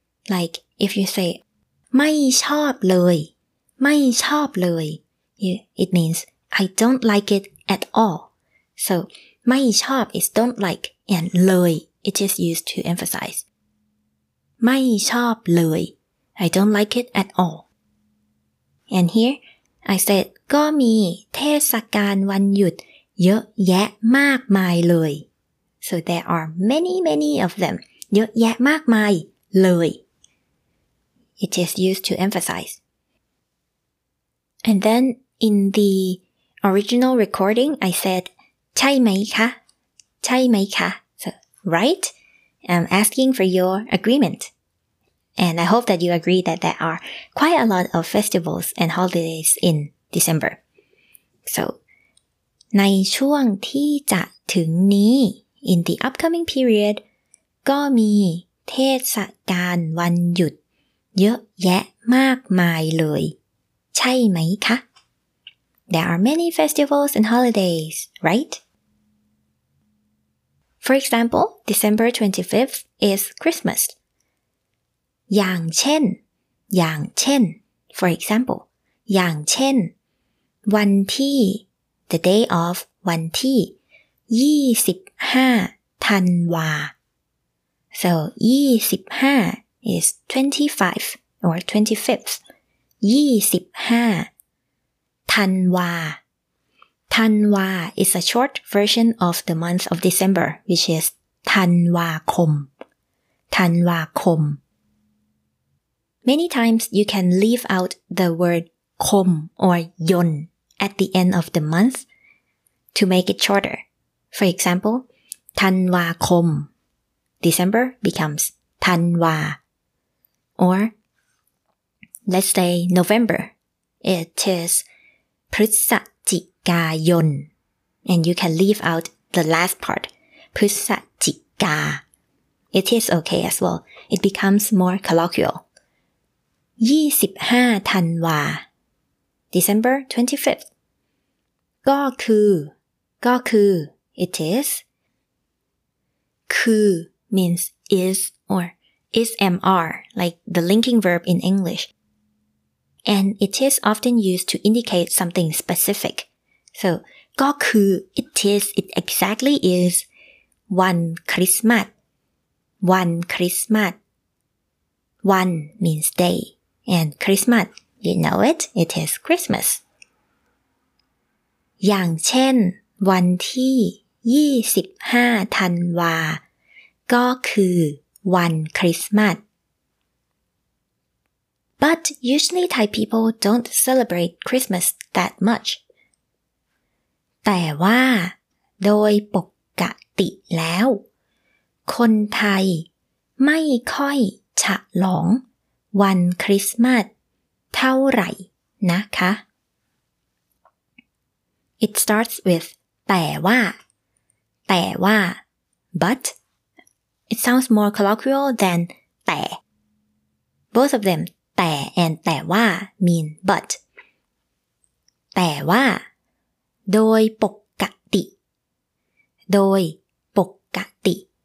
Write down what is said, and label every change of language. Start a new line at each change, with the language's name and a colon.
English: Like if you say,
Thai: mai chop lui. Mai chop lui.
English: It means, I don't like it at all. So,
Thai: mai chop
English: is don't like, and lui, it is used to emphasize.
Thai: Mai chop lui.
English: I don't like it at all. And here, I said,
Thai: ก็มีเทศกาลวันหยุดเยอะแยะมากมายเลย
English: So there are many, many of them.
Thai: เยอะแยะมากมายเลย
English: It is used to emphasize. And then in the original recording, I said,
Thai: ใช่ไหมคะ? ใช่ไหมคะ?
English: So, right? I'm asking for your agreement. And I hope that you agree that there are quite a lot of festivals and holidays in December.
Thai: So, ในช่วงที่จะถึงนี้
English: in the upcoming period,
Thai: ก็มีเทศกาลวันหยุดเยอะแยะมากมายเลยใช่ไหมคะ?
English: There are many festivals and holidays, right? For example, December 25th is Christmas.
Thai: อย่างเช่น, อย่างเช่น,
English: for example,
Thai: อย่างเช่น, วันที่,
English: the day of,
Thai: วันที่, 25ธันวา.
English: So, 25 is 25 or 25th.
Thai: 25ธันวา.
English: ธันวา is a short version of the month of December, which is ธันวาคม. ธันวาคม. Many times you can leave out the word kom or yon at the end of the month to make it shorter. For example, ธันวาคม.December becomes ธันวา. Or let's say November. It is พฤศจิกายน. And you can leave out the last part. พฤศจิกา. It is okay as well. It becomes more colloquial.
Thai: ยี่สิบห้าธันวา
English: December 25th
Thai: ก็คือ
English: it is คือ means is or is mr like the linking verb in English and it is often used to indicate something specific so
Thai: ก็คือ
English: it is it exactly is
Thai: วันคริสต์มาส
English: one means dayAnd Christmas, you know it, it is Christmas.
Thai: อย่างเช่นวันที่25ธันวาก็คือวันคริสต์มาส
English: But usually Thai people don't celebrate Christmas that much.
Thai: แต่ว่าโดยปกติแล้วคนไทยไม่ค่อยฉลองวันคริสต์มาสเท่าไหร่นะคะ
English: It starts with
Thai: แต่ว่า
English: but it sounds more colloquial than แต่ Both of them แต่ and แต่ว่า mean but
Thai: แต่ว่าโดยปกติโดยปกติ